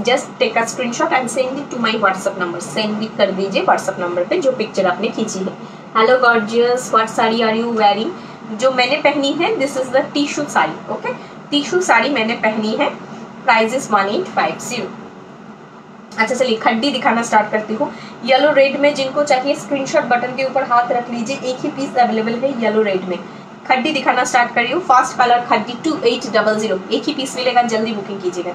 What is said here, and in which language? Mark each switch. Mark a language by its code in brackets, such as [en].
[en] Just take a screenshot and send it to my WhatsApp number. Send it [hi] कर दीजिए WhatsApp number पे जो picture आपने खींची है। [en] Hello gorgeous, what saree are you wearing? [hi] जो मैंने पहनी है, [en] this is the tissue saree. Okay? [hi] Tissue saree मैंने पहनी है। [en] Price is 1850. [hi] अच्छा चलिए खड्डी दिखाना स्टार्ट करती हूँ। येलो रेड में जिनको चाहिए स्क्रीनशॉट बटन के ऊपर हाथ रख लीजिए, एक ही पीस अवेलेबल है येलो रेड में। खड्डी दिखाना स्टार्ट कर रही हूँ, फास्ट कलर खड्डी 2800, एक ही पीस मिलेगा, जल्दी बुकिंग कीजिएगा।